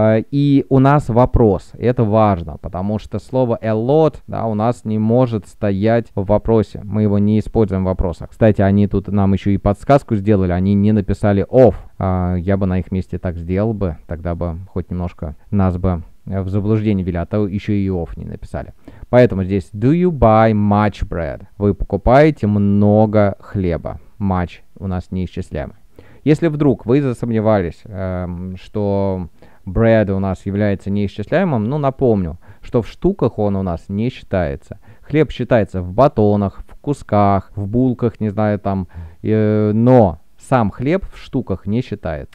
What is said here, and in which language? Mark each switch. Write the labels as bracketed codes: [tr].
[ru] И у нас вопрос. Это важно, потому что слово a lot, да, у нас не может стоять в вопросе. Мы его не используем в вопросах. Кстати, они тут нам еще и подсказку сделали. Они не написали of. Я бы на их месте так сделал бы. Тогда бы хоть немножко нас бы в заблуждение ввели, а то еще и off не написали. Поэтому здесь [en] do you buy much bread? [ru] Вы покупаете много хлеба. Much у нас неисчисляемый. Если вдруг вы засомневались, что bread у нас является неисчисляемым, ну, напомню, что в штуках он у нас не считается. Хлеб считается в батонах, в кусках, в булках, не знаю, там, но сам хлеб в штуках не считает.